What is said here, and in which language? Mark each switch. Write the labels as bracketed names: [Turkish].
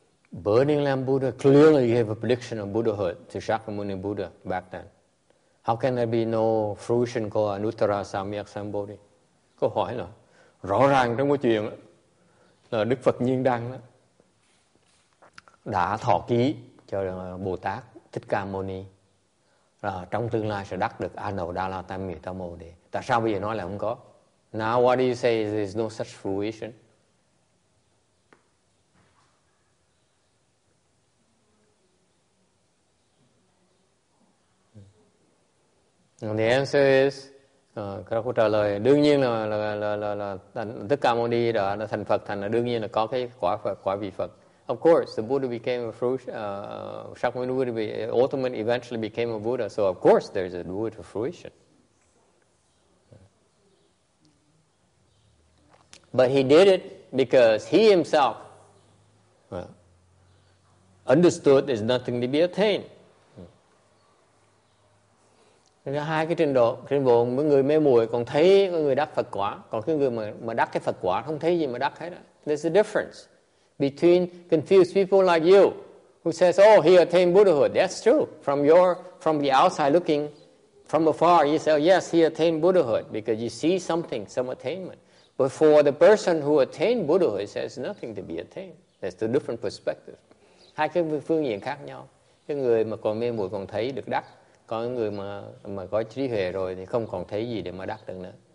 [English] Burning lamp Buddha, clearly you have a prediction of Buddhahood to Shakyamuni Buddha back then. How can there be no fruition called Anuttara Samyak Sambodhi? [Vietnamese] Câu hỏi là rõ ràng trong cái chuyện là Đức Phật Nhiên Đăng đã thọ ký cho Bồ Tát Thích Ca Mâu Ni là trong tương lai sẽ đắc được Anu Đà La Tam Mì Tam Mô Đề. Tại sao bây giờ nói là không có? [English] Now what do you say is there's no such fruition? And the answer is, [Vietnamese] Krakow trả lời, đương nhiên là Thích Ca Mâu Ni đã thành Phật, thành là đương nhiên là có cái quả Phật, quả vị Phật. [English] Of course, the Buddha became a fruition. Shakyamuni Buddha ultimately eventually became a Buddha. So, of course, there is a Buddha to fruition. But he did it because he himself understood there's nothing to be attained. [Vietnamese] Hai cái trình độ, trình độ mấy người mê muội còn thấy có người đắc Phật quả, còn cái người mà đắc cái Phật quả không thấy gì mà đắc hết. [English] There's a difference between confused people like you who says, oh, he attained Buddhahood. That's true. From the outside looking from afar, you say, oh, yes, he attained Buddhahood because you see something, some attainment. But for the person who attained Buddhahood, it says nothing to be attained. That's the different perspective. [Vietnamese] Hai cái phương diện khác nhau. Cái người mà còn mê muội còn thấy được đắc. Có những người mà có trí huệ rồi thì không còn thấy gì để mà đắc được nữa.